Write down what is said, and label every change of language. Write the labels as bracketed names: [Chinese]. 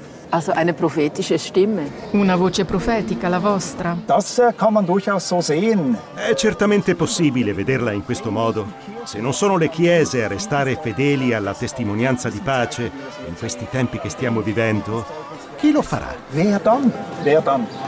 [German] Also eine prophetische Stimme. [Italian] Una voce profetica, la vostra. [German] Das kann man durchaus so sehen. [Italian] È certamente possibile vederla in questo modo. Se non sono le chiese a restare fedeli alla testimonianza di pace in questi tempi che stiamo vivendo, chi lo farà? [German] Wer dann? Wer dann?